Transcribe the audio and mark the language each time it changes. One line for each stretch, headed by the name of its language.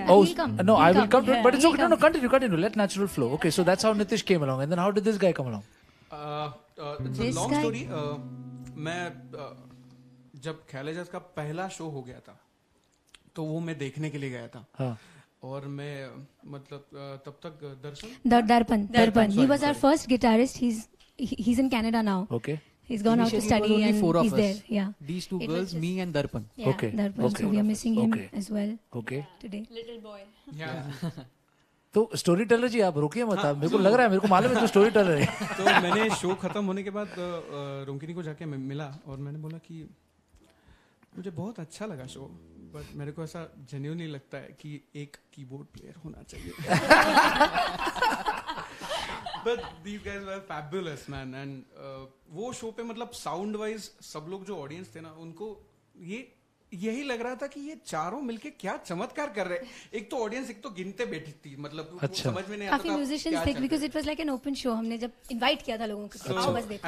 English: Oh, he'll come. No, I will come. Yeah. But it's okay. No, continue. Let natural flow. Okay, so that's how Nitish came along. And then how did this guy come along? It's a long story.
Hindi: मैं जब खैलेजस का पहला show हो गया था, तो वो मैं देखने के लिए गया था. और मैं मतलब तब तक दर्पण.
English: He was our first guitarist. He's in Canada now. Okay. He's gone out to study and he's there. Yeah. These two girls, me and Darpan. Yeah, okay. Darpan. Okay. So we are missing him as well. Okay. Today. Little boy. Yeah.
Hindi: तो storyteller जी आप रुकिए मत. मेरे को लग रहा है, मेरे को मालूम है तू storyteller है. तो मैंने शो खत्म होने के बाद Ronkini को जाके मिला और मैंने बोला कि मुझे बहुत अच्छा लगा शो, बट मेरे को ऐसा genuinely लगता है कि एक keyboard player होना चाहिए.
English: But these guys were fabulous, man.
Hindi: And वो शो पे मतलब साउंड वाइज सब लोग जो ऑडियंस थे ना, उनको ये यही लग रहा था कि ये चारों मिलके क्या चमत्कार कर रहे. एक तो ऑडियंस, एक तो गिनते बैठी थी, मतलब समझ में नहीं आता. काफी म्यूजिशियंस थे,
English: Because it was like an open show.
Hindi: हमने जब इनवाइट किया था लोगों को, बस देखो.